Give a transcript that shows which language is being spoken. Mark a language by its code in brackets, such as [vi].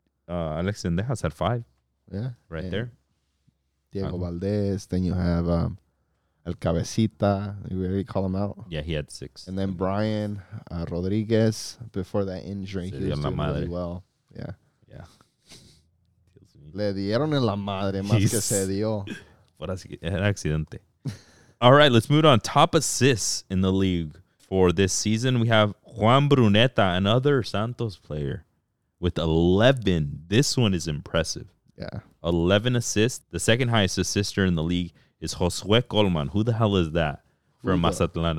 [en] Alex Sendejas had 5. Yeah. Right there. Diego Valdez. Then you have El Cabecita. We already call him out. Yeah, he had 6. And then Brian Rodriguez, before that injury, he was doing really well. Yeah. Yeah. [es] Le dieron en la madre más que se dio. [en] What an accident. All right, let's move on. Top assists in the league for this season. We have Juan Bruneta, another Santos player, with 11. This one is impressive. Yeah. 11 assists. The second highest assister in the league is Josue Colman. Who the hell is that? From Mazatlan.